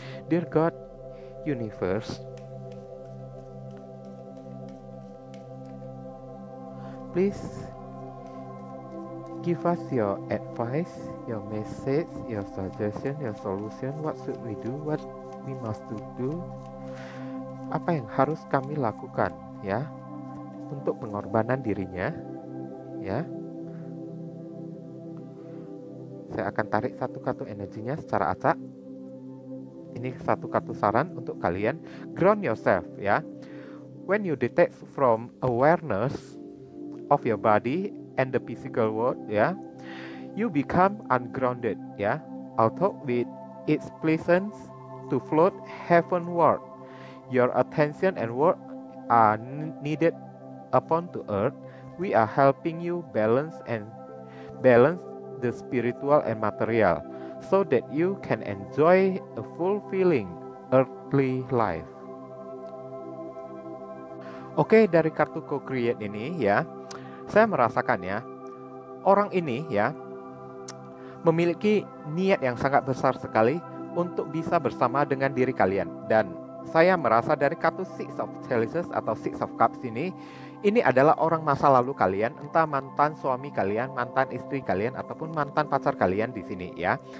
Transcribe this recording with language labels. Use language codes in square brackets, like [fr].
[en] Dear God, Universe, please give us your advice, your message, your suggestion, your solution. What should we do? What we must do? [id] Apa yang harus kami lakukan, ya, untuk pengorbanan dirinya, ya. Saya akan tarik satu kartu energinya secara acak. Ini satu kartu saran untuk kalian. [en] Ground yourself, ya. When you detach from awareness of your body and the physical world, ya, you become ungrounded, ya. Although with its pleasance to float heavenward, your attention and work are needed upon to earth. We are helping you balance the spiritual and material, so that you can enjoy a fulfilling earthly life. [id] Okay, dari kartu co-create ini, ya, saya merasakan, ya, orang ini, ya, memiliki niat yang sangat besar sekali untuk bisa bersama dengan diri kalian. Dan saya merasa dari kartu Six of Chalices atau Six of Cups ini, ini adalah orang masa lalu kalian, entah mantan suami kalian, mantan istri kalian, ataupun mantan pacar kalian di sini, ya.